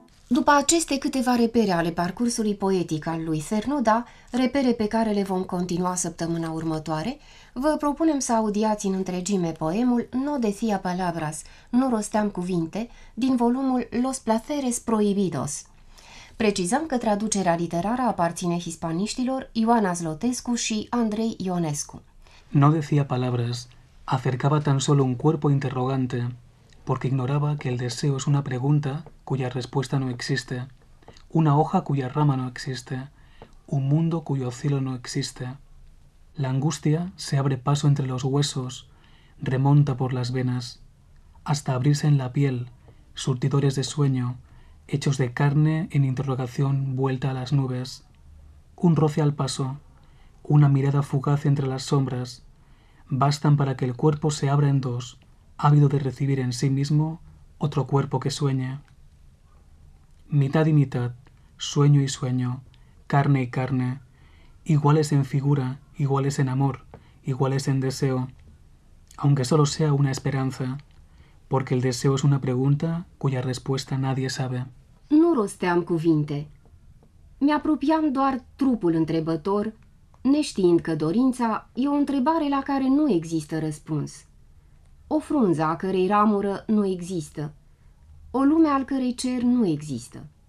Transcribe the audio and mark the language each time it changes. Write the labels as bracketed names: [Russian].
[Romanian] După aceste câteva repere ale parcursului poetic al lui Cernuda, repere pe care le vom continua săptămâna următoare, vă propunem să audiați în întregime poemul No decía palabras, nu rosteam cuvinte, din volumul Los placeres prohibidos. Precizăm că traducerea literară aparține hispaniștilor Ioana Zlotescu și Andrei Ionescu. [Spanish] No decía palabras, acercaba tan solo un cuerpo interrogante, porque ignoraba que el deseo es una pregunta cuya respuesta no existe, una hoja cuya rama no existe, un mundo cuyo cielo no existe. La angustia se abre paso entre los huesos, remonta por las venas, hasta abrirse en la piel, surtidores de sueño, hechos de carne en interrogación vuelta a las nubes. Un roce al paso, una mirada fugaz entre las sombras, bastan para que el cuerpo se abra en dos, ávido de recibir en sí mismo otro cuerpo que sueña. Mitad y mitad, sueño y sueño, carne y carne, iguales en figura, iguales en amor, iguales en deseo, aunque solo sea una esperanza, porque el deseo es una pregunta cuya respuesta nadie sabe. [Romanian] Nu rosteam cuvinte. Mi apropiam doar trupul întrebător, neștiind că dorința e o întrebare la care nu există răspuns. O frunză a cărei ramură nu există, o lume al cărei cer nu există.